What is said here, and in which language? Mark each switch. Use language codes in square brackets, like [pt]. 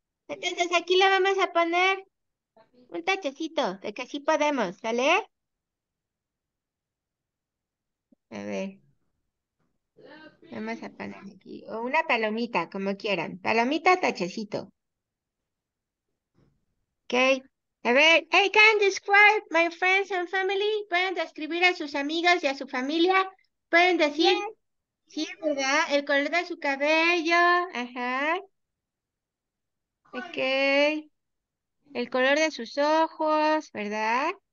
[es] Entonces, aquí le vamos a poner un tachecito de que sí podemos, ¿sale? A ver. Vamos a poner aquí, o una palomita, como quieran. Palomita, tachecito. [en] Ok, [es] a ver, [en] hey, can describe my friends and family? [es] ¿Pueden describir a sus amigos y a su familia? ¿Pueden decir? [en] Yes. [es] Sí, ¿verdad? El color de su cabello, ajá. Ok, el color de sus ojos, ¿verdad?